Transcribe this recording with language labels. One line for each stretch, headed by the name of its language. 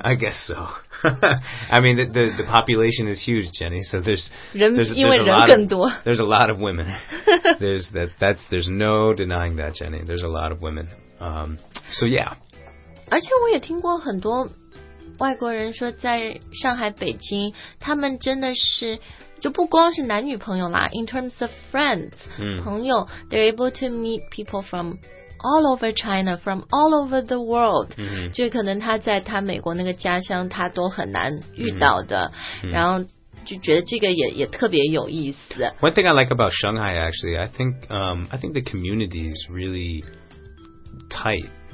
English: I guess soI mean, the population is huge, Jenny, so there's a lot of women. There's no denying that, Jenny. There's a lot of women. So, yeah.
Chinese: 而且我也听过很多外国人说在上海、北京，他们真的是就不光是男女朋友啦
English: in terms of friends,、嗯、
Chinese: 朋友
English: they're able to meet people from... All over China, from all over the world.、 Mm-hmm.
Chinese: 就可能他在他美国那个家乡他都很难遇到的、 mm-hmm. 然后就觉得这个 也特别有意思。
English: One thing I like about Shanghai, actually, I think the community is really tight.